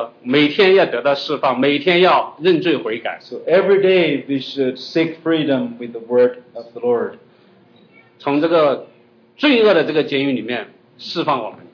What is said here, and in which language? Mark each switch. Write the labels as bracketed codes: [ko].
[zh] 所以我们每一个人要每天在这个每天要得到释放，每天要认罪悔改。 [en] So every day we should seek freedom with the word of the Lord. [zh] 从这个罪恶的这个监狱里面释放我们。